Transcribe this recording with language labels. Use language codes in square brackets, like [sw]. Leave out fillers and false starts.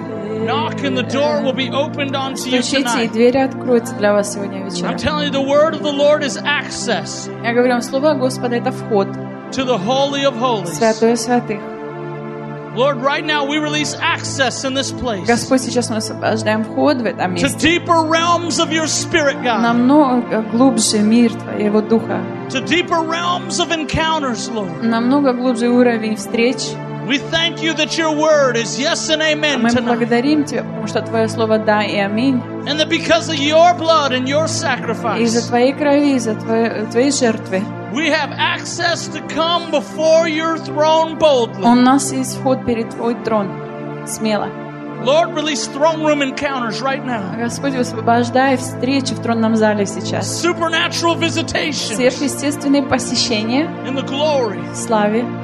[en] Knock and the door will be opened unto you tonight. [ru] Стучите, и двери откроются для вас сегодня вечером. [en] I'm telling you, the word of the Lord is access. [ru] Я говорю вам, слово Господа — это вход. [en] To the holy of holies. [ru] Святое святых. [en] Lord, right now we release access in this place. [ru] Господь, сейчас мы освобождаем вход в это место. [en] To deeper realms of your spirit, God. [ru] Намного глубже мир твоего духа. [en] To deeper realms of encounters, Lord. [ru] Намного глубже уровень встреч. [en] We thank you that your word is yes and amen tonight. [ru] Мы благодарим тебя, потому что твое слово да и аминь. [en] And that because of your blood and your sacrifice. [ru] Из-за твоей крови, из-за твоей жертвы. [en] We have access to come before your throne boldly. [ru] У нас есть вход перед твой трон смело. [en] Lord, release throne room encounters right now. [ru] Господи, освобождай встречи в тронном зале сейчас. [en] Supernatural visitation. [ru] Сверхъестественные посещения. [en] In the glory. [ru] Славе.